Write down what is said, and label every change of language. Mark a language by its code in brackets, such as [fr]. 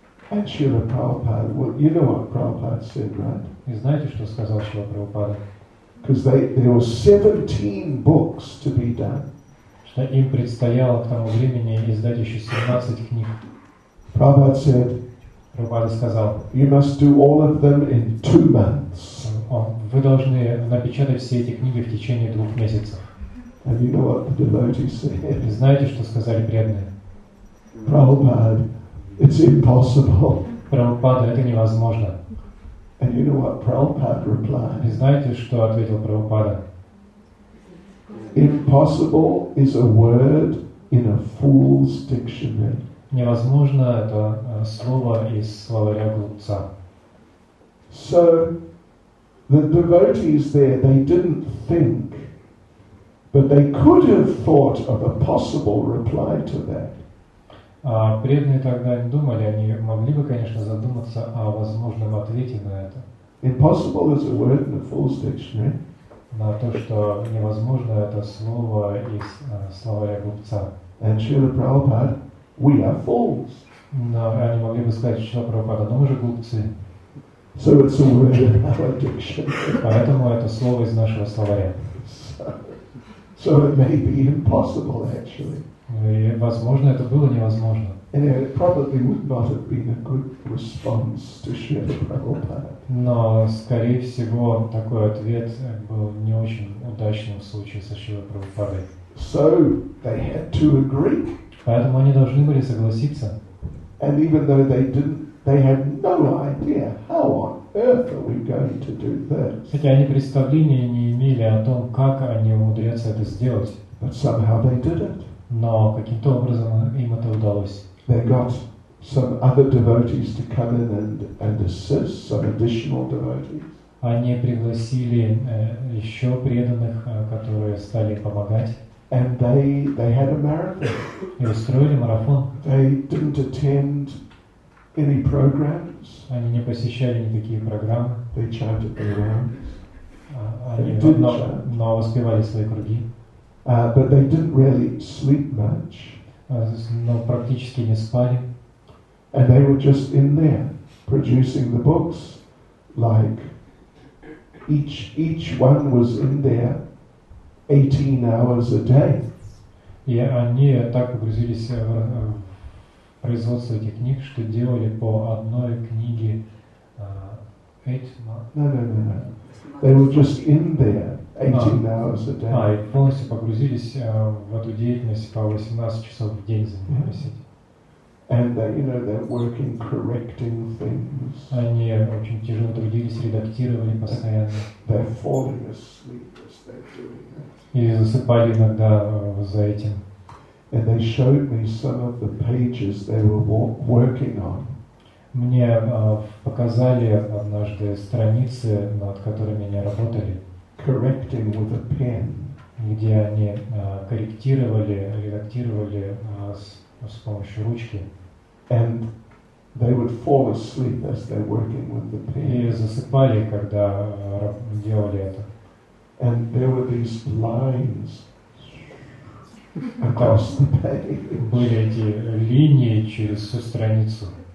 [en] And Srila Prabhupada, well, you know what Prabhupada said, right? [ru] И знаете, что сказал Шрила Прабхупада? [en] Because there were 17 books to be done. [ru] Что им предстояло к тому времени издать еще 17 книг. [en] Prabhupada said, [ru] Прабхупада сказал, [en] you must do all of them in 2 months. [ru] Вы должны напечатать все эти книги в течение 2 месяцев. [en] And you know what the devotees said? [ru] И знаете, что сказали преданные? [en] Prabhupada, it's impossible. [ru] Прабхупада, это невозможно. [en] And you know what Prabhupada replied? [ru] И знаете, что ответил Прабхупада? [en] Impossible is a word in a fool's dictionary. [ru] Невозможно – это слово из словаря глупца. [en] So, the devotees there, they didn't think, but they could have thought of a possible reply to that. [ru] А преданные тогда не думали, они могли бы, конечно, задуматься о возможном ответе на это. [en] Impossible is a word in a fool's dictionary. [ru] На то, что невозможно, это слово из словаря глупца. [en] And Srila Prabhupada, we are fools. [ru] Но они могли бы сказать, что Srila Prabhupada, но мы же глупцы. [en] So it's a word in our dictionary. [ru] Поэтому это слово из нашего словаря. [en] So it may be impossible, actually. [ru] И, возможно, это было невозможно. [en] Anyway, it probably would not have been a good response to Srila Prabhupada. [ru] Но, скорее всего, такой ответ был не очень удачным в случае со Шрилой Прабхупадой. [en] So they had to agree. [ru] Поэтому они должны были согласиться. [en] And even though they didn't, they had no idea how on earth are we going to do this. [ru] Хотя они представления не имели о том, как они умудрятся это сделать. [en] But somehow they did it. [ru] Но каким-то образом им это удалось. [en] They got some other devotees to come in and assist, some additional devotees. [ru] Они пригласили еще преданных, которые стали помогать. [en] And they had a marathon. [ru] И устроили марафон. [en] They didn't attend any programs. [ru] Они не посещали никакие программы. [en] They chanted their rounds. [ru] Они [en] didn't chant. [ru] Но воспевали свои круги. [en] But they didn't really sleep much. [ru] Но практически не спали. [en] And they were just in there producing the books, like each one was in there 18 hours a day. [ru] И они так погрузились в производство этих книг, что делали по одной книге 8 [en] months. No. They were just in there 18 hours a day. [ru] И полностью погрузились в эту деятельность по 18 часов в день занимались этим. [en] And they, you know, they're working, correcting things. [ru] Они очень тяжело трудились, редактировали постоянно. [en] They're falling asleep as they're doing it. [ru] И засыпали иногда за этим. [en] And they showed me some of the pages they were working on. [ru] Мне показали однажды страницы, над которыми они работали. [en] correcting with a pen. [ru] Где они корректировали, редактировали с помощью ручки. [en] And they would fall asleep as they're working with the pen. [ru] И засыпали, когда делали это. [en] And there were these lines across the page. [ru] Были эти линии через всю страницу.